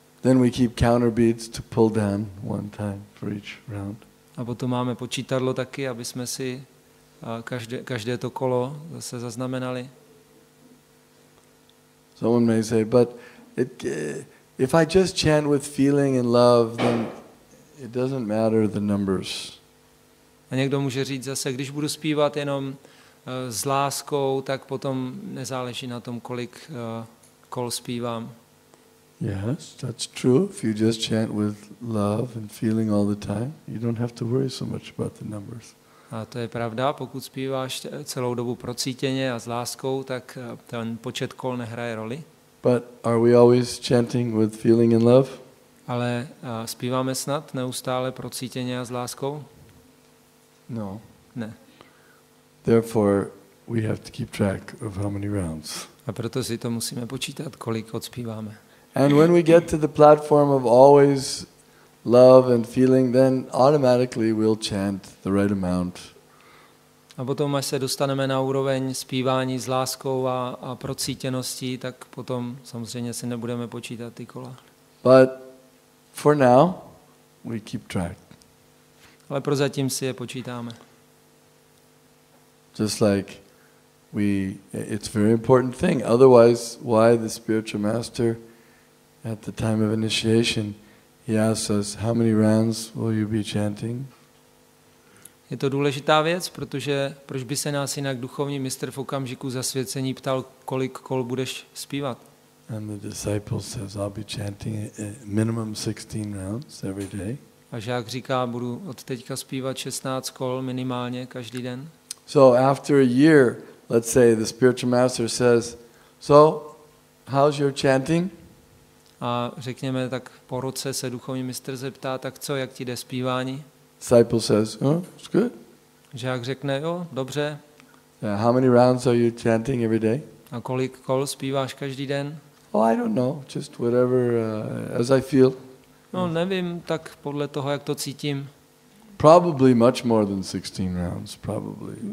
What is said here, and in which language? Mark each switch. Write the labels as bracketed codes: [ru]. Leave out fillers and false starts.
[en] Then we keep counter beads to pull down one time for each round. [cs] A potom máme počítadlo taky, aby jsme si každé to kolo zase zaznamenali. [en] Someone may say, but if I just chant with feeling and love, then it doesn't matter the numbers. [cs] A někdo může říct zase, když budu zpívat jenom s láskou, tak potom nezáleží na tom, kolik kol zpívám. [en] Yes, that's true. If you just chant with love and feeling all the time, you don't have to worry so much about the numbers. [cs] A to je pravda, pokud zpíváš celou dobu procítěně a s láskou, tak ten počet kol nehraje roli. [en] But are we always chanting with feeling and love? [cs] Ale zpíváme snad neustále procítěně a s láskou? [en] No. [cs] Ne. [en] Therefore, we have to keep track of how many rounds. [cs] A proto si to musíme počítat, kolik odspíváme. [en] And when we get to the platform of always love and feeling, then automatically we'll chant the right amount. [cs] A potom, až se dostaneme na úroveň zpívání s láskou a procítěností, tak potom samozřejmě si nebudeme počítat ty kola. [en] But for now, we keep track. [cs] Ale prozatím si je počítáme. [en] Just like we, it's a very important thing. Otherwise, why the spiritual master at the time of initiation, he asks us, how many rounds will you be chanting? [cs] Je to důležitá věc, protože proč by se nás jinak duchovní mistr v okamžiku zasvěcení ptal, kolik kol budeš zpívat? [en] And the disciple says, I'll be chanting minimum 16 rounds every day. [cs] A žák říká, budu od teďka zpívat 16 kol minimálně každý den. [en] So after a year, let's say the spiritual master says, so how's your chanting? [cs] A řekněme tak po roce se duchovní mistr zeptá, tak co, jak ti jde zpívání? [en] Disciple says, oh, it's good. [cs] Žák řekne, jo, dobře. [en] Yeah, how many rounds are you chanting every day? [cs] A kolik kol zpíváš každý den? [en] Oh, I don't know, just whatever, as I feel. [cs] No, nevím, tak podle toho, jak to cítím. [en] Probably much more than 16 rounds, probably.